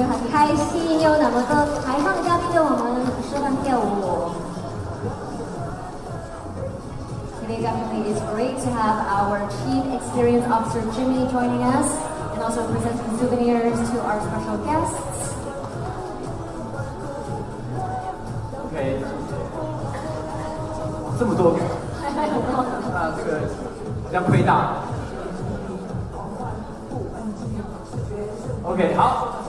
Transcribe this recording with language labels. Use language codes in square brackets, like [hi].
[zh] 开心有那么多台上的嘉宾给我们示范跳舞。 [en] Today definitely is great to have our Chief Experience Officer Jimmy joining us and also presenting souvenirs to our special guests. [zh] OK， 谢谢。这么多，这个比较亏大。 OK， 好。